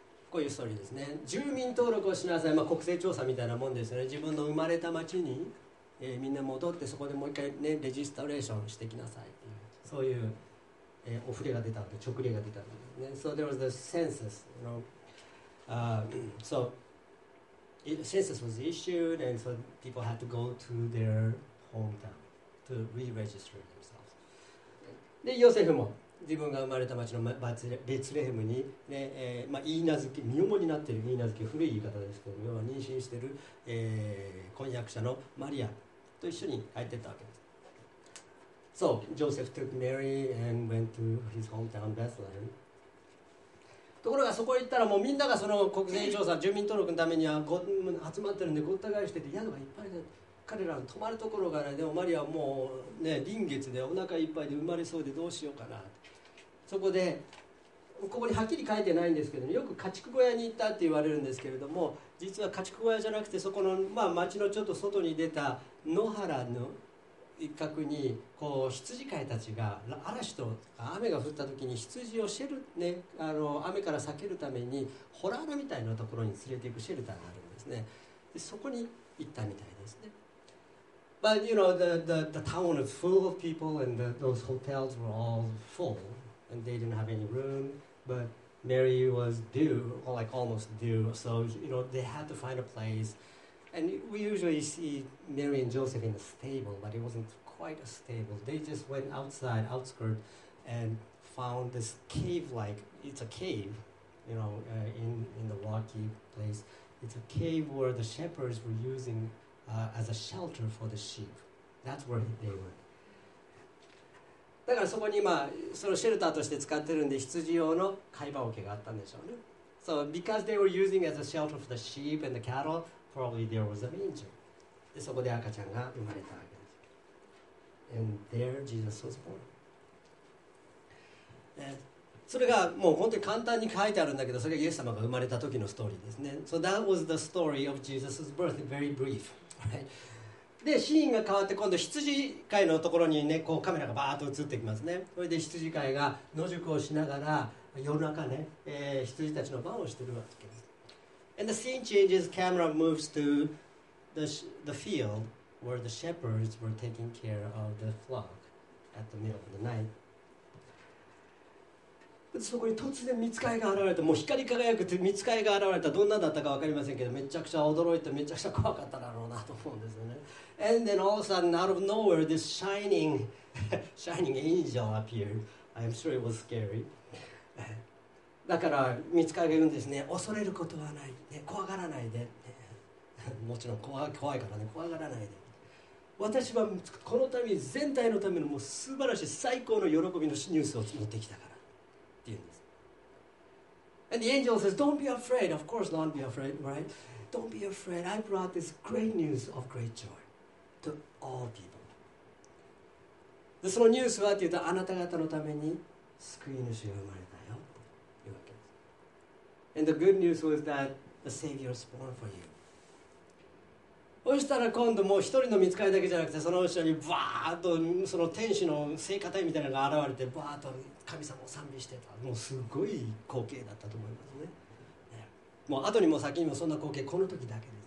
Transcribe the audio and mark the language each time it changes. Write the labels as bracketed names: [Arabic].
[Japanese] こういうストーリーですね。住民登録をしなさい、まあ、国勢調査みたいなもんですよね。自分の生まれた町に、みんな戻ってそこでもう一回、ね、レジストレーションしてきなさいっていう、そういう、お触れが出たわけ、直令が出たわけですね。 [English] So there was the census, you know. So it, census was issued and so people had to go to their hometown to re-register themselves. [Japanese] で、ヨセフも自分が生まれた町のベツレヘムに、ねまあ、言い名付け、身重になっている言い名付け、古い言い方ですけど、要は妊娠している、婚約者のマリアと一緒に帰っていったわけです。 [English] So, Joseph took Mary and went to his hometown, Bethlehem. [Japanese] ところがそこへ行ったら、もうみんながその国税調査、住民登録のためには集まってるんで、ごった返してて、宿がいっぱいで、彼らの泊まるところがない。でもマリアはもうね、臨月でお腹いっぱいで生まれそうでどうしようかな。そこで、ここにはっきり書いてないんですけど、よく家畜小屋に行ったって言われるんですけれども、実は家畜小屋じゃなくてそこの、まあ、町のちょっと外に出た野原の一角にこう羊飼いたちが、嵐とか雨が降った時に羊をシェル、ね、あの雨から避けるためにホラー穴みたいなところに連れていくシェルターがあるんですね。でそこに行ったみたいですね。 [English] But you know, the town was full of people and those hotels were all full and they didn't have any room. But Mary was due, or like almost due, so you know, they had to find a place. And we usually see Mary and Joseph in a stable, but it wasn't quite a stable. They just went outside, outskirts, and found this cave-like, it's a cave, you know, in the rocky place. It's a cave where the shepherds were using as a shelter for the sheep. That's where they were. [Japanese] だからそこに今そのシェルターとして使ってるんで羊用の貝羽桶があったんでしょうね。 [English] So because they were using as a shelter for the sheep and the cattle, probably there was a manger. [Japanese] でそこで赤ちゃんが生まれたわけです。 [English] And there Jesus was born. [Japanese] それがもう本当に簡単に書いてあるんだけど、それがイエス様が生まれた時のストーリーですね。 [English] So that was the story of Jesus' birth, very brief. Right? [Japanese] でシーンが変わって今度羊飼いのところにねこうカメラがバーッと映ってきますね。それで羊飼いが野宿をしながら夜中ね、羊たちの番をしているわけです。 [English] And the scene changes, camera moves to the field where the shepherds were taking care of the flock at the middle of the night. [Japanese] そこに突然御使いが現れた。もう光り輝くて御使いが現れた。どんなだったか分かりませんけど、めちゃくちゃ驚いてめちゃくちゃ怖かっただろうなと思うんですよね。 [English] And then all of a sudden out of nowhere this shining shining angel appeared. I'm sure it was scary. [Japanese] だから御使いが言うんですね、恐れることはない、ね、怖がらないで、ね、もちろん 怖いからね、怖がらないで、私はこのために全体のためのもう素晴らしい最高の喜びのニュースを持ってきたからって言うんです。 [English] And the angel says don't be afraid, of course don't be afraid, right? Don't be afraid, I brought this great news of great joy to all people. [Japanese] でそのニュースはって言うと、あなた方のために救い主が生まれたよというわけです。 [English] And the good news was that the Savior was born for you. [Japanese] そしたら今度もう一人の見つかりだけじゃなくて、その後ろにバーッとその天使の聖歌隊みたいなのが現れて、バーッと神様を賛美してた。もうすごい光景だったと思いますね。もう後にも先にもそんな光景この時だけです。